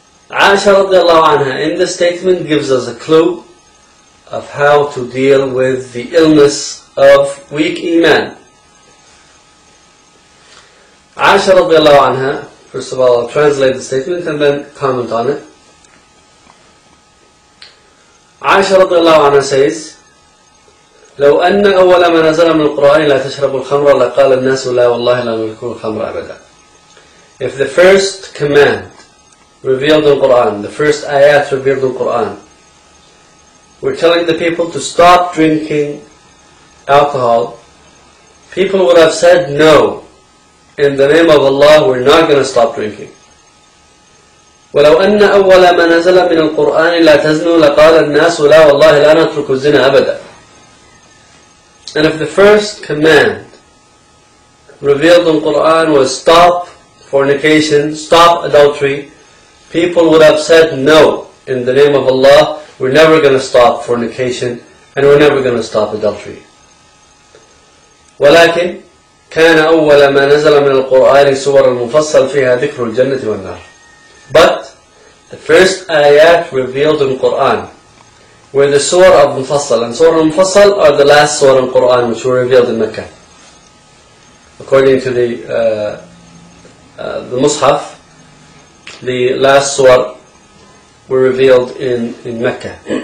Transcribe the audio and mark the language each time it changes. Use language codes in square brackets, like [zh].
[en] Aisha radiallahu anha in this statement gives us a clue of how to deal with the illness of weak iman. Aisha radiallahu anha, first of all, I'll translate the statement and then comment on it. [ar] Aisha radiallahu anha says, لو أن أول ما نزل من القرآن لا تشرب الخمر لقال الناس لا والله لا نترك الخمر أبدا. [en] If the first command revealed in Quran, the first ayat revealed in Quran, we're telling the people to stop drinking alcohol, people would have said no. In the name of Allah, we're not going to stop drinking. [ar] وَلَوْ أَنَّ أَوَّلَ مَا نَزَلَ مِنَ الْقُرْآنِ لَا تَزْنُوا لَقَالَ النَّاسُ لَا وَاللَّهِ لَا نَتْرُكُ الزِّنَ أَبَدًا [en] And if the first command revealed in Quran was stop fornication, stop adultery, people would have said no. In the name of Allah, we're never going to stop fornication and we're never going to stop adultery. [ar] ولكن كان أول ما نزل من القرآن سور المفصل فيها ذكر الجنة والنار. [en] But the first ayat revealed in Quran were the surah of Mufassal. And surah Mufassal are the last surah in Quran which were revealed in Mecca. According to the Mus'haf, the last surah were revealed in Mecca.